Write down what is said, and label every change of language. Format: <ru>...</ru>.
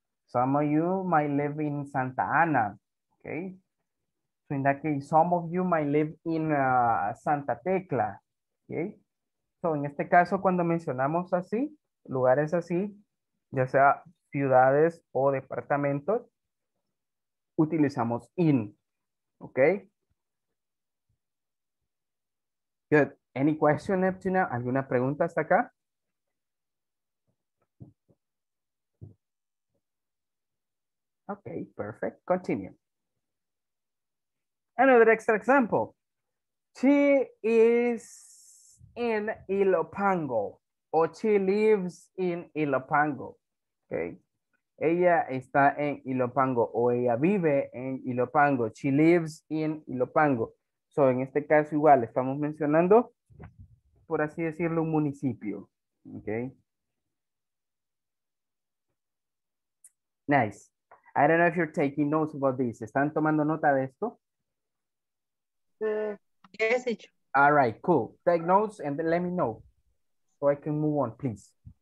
<en>Some of you might live in Santa Ana, okay? So in that case, some of you might live in Santa Tecla, okay?</en> <es>So en este caso, cuando mencionamos así, lugares así, ya sea ciudades o departamentos, utilizamos in, okay?</es> <en>Good. Any question, Neptuna?</en> <es>¿Alguna pregunta hasta acá?</es> <en>Okay, perfect. Continue. Another extra example. She is in Ilopango, or she lives in Ilopango. Okay.</en> <es>Ella está en Ilopango, o ella vive en Ilopango.</es> <en>She lives in Ilopango.</en> <es>So, en este caso, igual, estamos mencionando, por así decirlo, un municipio.</es> <en>Okay. Nice. I don't know if you're taking notes about this.</en> <es>¿Están tomando nota de esto?</es> <en>Yes, teacher. All right, cool. Take notes and let me know so I can move on, please.</en>